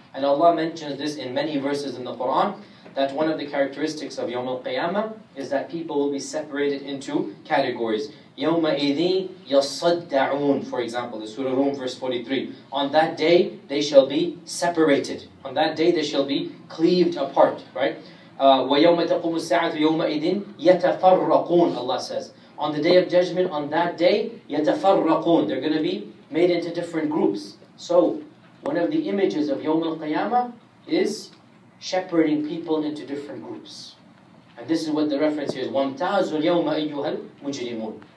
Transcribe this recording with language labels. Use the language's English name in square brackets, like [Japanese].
[English] And Allah mentions this in many verses in the Quran, that one of the characteristics of Yawm al-Qiyamah is that people will be separated into categories. [Arabic] يَوْمَ إِذِي يَصَدَّعُونَ, [English] for example, the Surah Rum, verse 43. On that day, they shall be separated. On that day, they shall be cleaved apart, right? [Arabic] وَيَوْمَ تَقُومُ السَّاعَةُ يَوْمَئِذٍ يَتَفَرَّقُونَ, [English] Allah says. On the day of judgment, on that day, [Arabic] يَتَفَرَّقُونَ. [English] They're going to be made into different groups. So, one of the images of Yawm al-Qiyamah is shepherding people into different groups. And this is what the reference here is. [Arabic] وَامْتَازُ الْيَوْمَ أَيُّهَا الْمُجْرِمُونَ.